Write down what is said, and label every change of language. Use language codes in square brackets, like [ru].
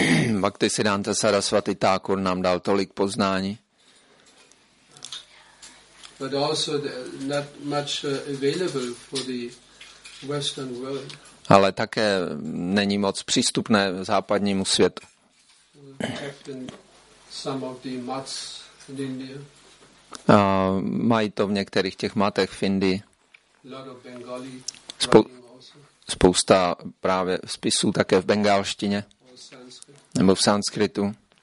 [cs] Bhaktisiddhanta Sarasvati Thakur nám dal tolik poznání. [en] But also not much available for the Western world. [cs] Ale také není moc přístupné západnímu světu. [en] Some of the mats in India. [cs] A mají to v některých těch matech v Indii. [en] Lot of Bengali writing. [cs] Spousta právě spisů také v bengálštině nebo v sanskritu.